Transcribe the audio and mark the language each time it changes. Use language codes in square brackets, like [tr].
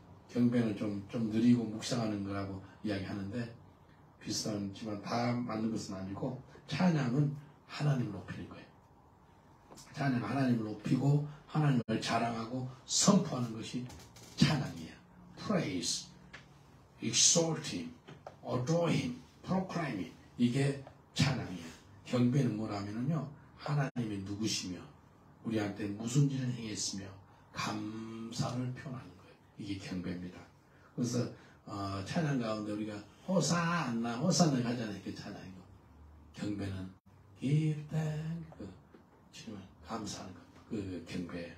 [ko] 경배는 좀 느리고 묵상하는 거라고 이야기하는데 비슷하지만 다 맞는 것은 아니고 찬양은 하나님을 높이는 거예요. 찬양은 하나님을 높이고 하나님을 자랑하고 선포하는 것이 찬양이에요. [en] Praise, exalt him, adore him, proclaim him. [ko] 이게 찬양이에요. 경배는 뭐라면요, 하나님이 누구시며 우리한테 무슨 일을 행했으며 감사를 표현하는 이게 경배입니다. 그래서 찬양 가운데 우리가 호사안나 호사안나 하잖아요. 그 찬양이고 경배는 [en] give thanks [ko] 그 지금 감사하는 것, 그 경배예요.